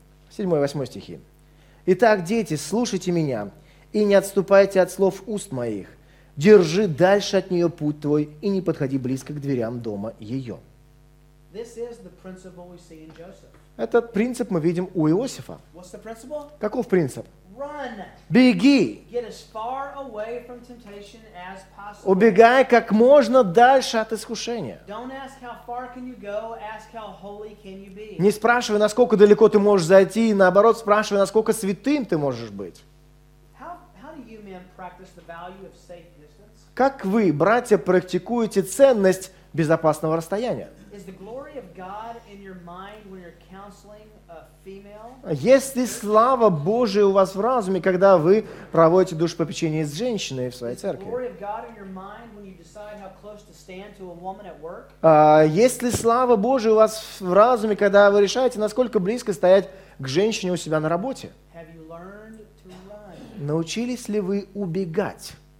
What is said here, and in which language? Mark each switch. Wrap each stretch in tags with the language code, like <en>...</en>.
<ru>Седьмой и восьмой стихи. Итак, дети, слушайте меня и не отступайте от слов уст моих. Держи дальше от нее путь твой и не подходи близко к дверям дома ее.</ru> <en>This is the principle we see in Joseph.</en> <ru>Этот принцип мы видим у Иосифа.</ru> <en>What's the principle?</en> <ru>Каков принцип?</ru> <en>Run.</en> <ru>Беги.</ru> <en>Get as far away from temptation as possible.</en> <ru>Убегай как можно дальше от искушения.</ru> <en>Don't ask how far can you go, ask how holy can you be.</en> <ru>Не спрашивай, насколько далеко ты можешь зайти, наоборот, спрашивай, насколько святым ты можешь быть.</ru> <en>How do you men practice the value of safe distance?</en> <ru>Как вы, братья, практикуете ценность безопасного расстояния?</ru> <en>Is the glory of God in your mind when you're counseling a female?</en> <ru>Есть ли слава Божия у вас в разуме, когда вы проводите душепопечение с женщиной в своей церкви?</ru> <en>Is the glory of God in your mind when you decide how close to stand to a woman at work?</en> <ru>Есть ли слава Божия у вас в разуме, когда вы решаете, насколько близко стоять к женщине у себя на работе?</ru> <en>Have you learned to run?</en> <ru>Научились ли вы убегать?</ru>